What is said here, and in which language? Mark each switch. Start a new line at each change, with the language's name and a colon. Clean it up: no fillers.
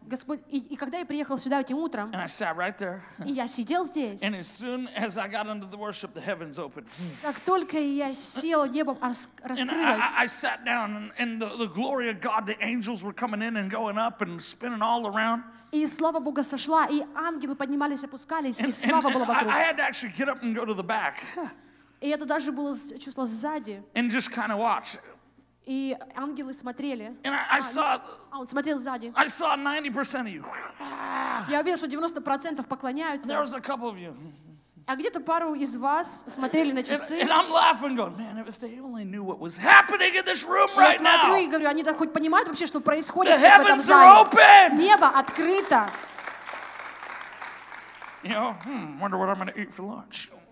Russian: Господь, и когда я приехал сюда этим утром,
English: and I sat right there.
Russian: И я сидел здесь.
English: And as soon as I got under the worship, the heavens opened.
Russian: Как только я сел, небо раскрылось.
English: And I sat down, and the glory of God, the angels were coming in and going up and spinning all around.
Russian: И слава Богу сошла, и ангелы поднимались, опускались, и слава была вокруг.
English: I had to actually get up and go to the back.
Russian: И это даже было чувство сзади.
English: And just kind of watch.
Russian: И ангелы смотрели.
English: And I saw.
Russian: А он смотрел сзади.
English: I saw 90% of you.
Russian: Я увидел, что 90% поклоняются.
English: There was a couple of you.
Russian: А где-то пару из вас смотрели на часы.
English: And I'm laughing, going, man, if they only knew what was happening in this room right now.
Russian: Я смотрю и говорю, они так хоть понимают вообще, что происходит сейчас в этом зале?
English: The heavens are open.
Russian: Небо открыто.
English: You know, wonder what I'm going to eat for lunch.